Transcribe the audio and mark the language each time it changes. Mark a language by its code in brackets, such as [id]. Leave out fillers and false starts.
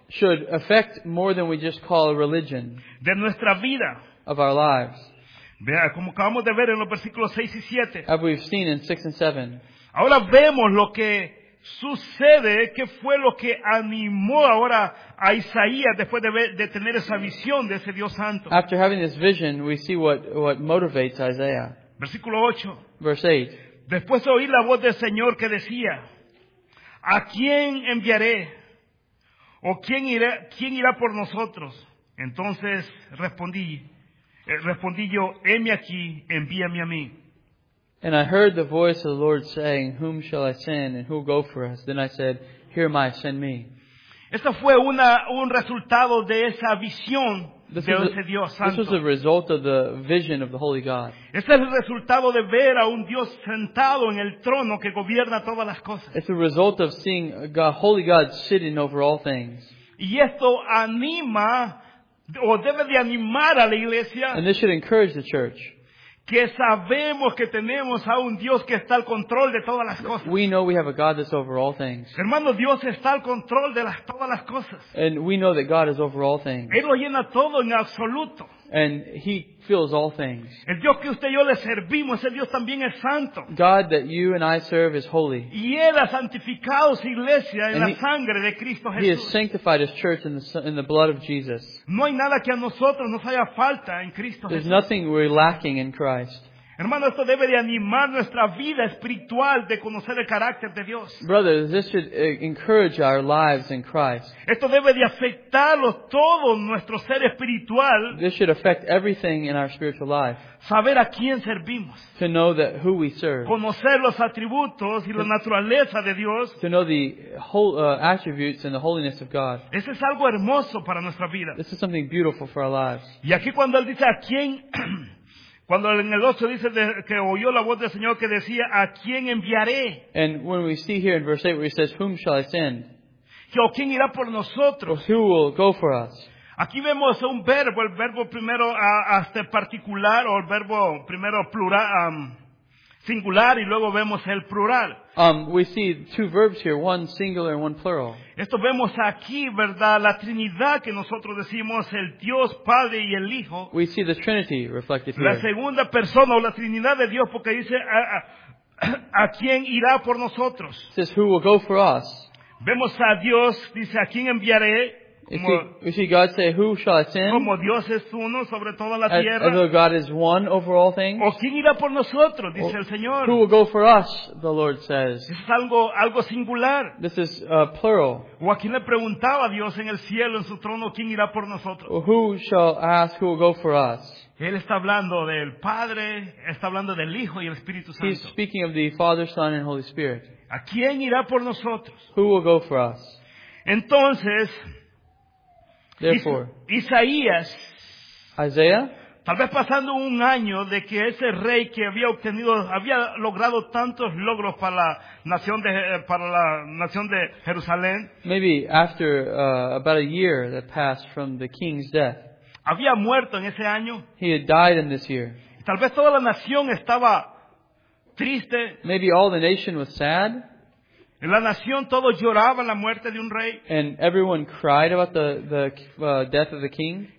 [en] Should affect more than we just call religion. [es] De nuestra vida. [en] Of our lives. [es] Vea, como acabamos de ver en los versículos 6 y 7. [en] As we've seen in 6 and 7. [es] Ahora vemos lo que sucede, que fue lo que animó ahora a Isaías después de tener esa visión de ese Dios santo. [en] After having this vision, we see what motivates Isaiah. [es] Versículo 8. [en] Verse 8. [es] Después de oír la voz del Señor que decía, ¿a quién enviaré? ¿O quién irá por nosotros? Entonces respondí yo, heme aquí, envíame a mí. [en] And I heard the voice of the Lord saying, whom shall I send and who will go for us? Then I said, here am I, send me. [es] Esto fue un resultado de esa visión de ese Dios santo. [en] This was a result of the vision of the Holy God. [es] Este es el resultado de ver a un Dios sentado en el trono que gobierna todas las cosas. [en] It's a result of seeing God, Holy God sitting over all things. [es] Y esto anima, o debe de animar a la iglesia. [en] And this should encourage the church. [es] Que sabemos que tenemos a un Dios que está al control de todas las cosas. [en] We know we have a God that's over all things. [es] Hermano, Dios está al control de todas las cosas. [en] And we know that God is over all things. [es] Él lo llena todo en absoluto. [en] And He fills all things. [es] El Dios que usted y yo le servimos, ese Dios también es santo. [en] God that you and I serve is holy. [es] Y Él ha santificado su iglesia en la sangre de Cristo Jesús. [en] He has sanctified His church in the blood of Jesus. [es] No hay nada que a nosotros nos haya falta en Cristo [en] There's [es] Jesús. [en] Nothing we're lacking in Christ. [es] Hermano, esto debe de animar nuestra vida espiritual de conocer el carácter de Dios. [en] Brothers, this should encourage our lives in Christ. [es] Esto debe de afectarlo todo nuestro ser espiritual. [en] This should affect everything in our spiritual life. [es] Saber a quién servimos. [en] To know that who we serve. [es] Conocer los atributos y la naturaleza de Dios. [en] To know the whole attributes and the holiness of God. [es] Eso es algo hermoso para nuestra vida. [en] This is something beautiful for our lives. [es] Y aquí cuando él dice a quién cuando en el 8 dice que oyó la voz del Señor que decía, ¿a quién enviaré? [en] And when we see here in verse 8 where he says, whom shall I send? [es] ¿O quién irá por nosotros? [en] Or who will go for us? [es] Aquí vemos un verbo, el verbo primero hasta particular, o el verbo primero plural, singular, y luego vemos el plural. [en] We see two verbs here, one singular and one plural. [es] Esto vemos aquí, ¿verdad? La Trinidad que nosotros decimos, el Dios Padre y el Hijo. [en] We see the Trinity reflected here. [es] La segunda persona o la Trinidad de Dios, porque dice, ¿a quién irá por nosotros? [en] It says, who will go for us? [es] Vemos a Dios, dice, ¿a quién enviaré? [en] We see God say, who shall I send? [es] Como Dios es uno sobre toda la tierra. [en] As though God is one over all things. [es] ¿O quién irá por nosotros? Dice el Señor. [en] Who will go for us? The Lord says. [es] Es algo singular. [en] This is plural. [es] ¿O a quién le preguntaba Dios en el cielo, en su trono, quién irá por nosotros? [en] Well, who shall ask, who will go for us? [es] Él está hablando del Padre, está hablando del Hijo y el Espíritu Santo. [en] He's speaking of the Father, Son, and Holy Spirit. [es] ¿A quién irá por nosotros? [en] Who will go for us? [es] Entonces, [en] therefore, [es] Isaías, [en] Isaiah, [es] tal vez pasando un año de que ese rey que había obtenido, había logrado tantos logros para la nación de Jerusalén. [en] Maybe after about a year that passed from the king's death. [es] Había muerto en ese año. [en] He had died in this year. [es] Tal vez toda la nación estaba triste. [en] Maybe all the nation was sad. [es] En la nación todos lloraban la muerte de un rey. [en] And everyone cried about the death of the king.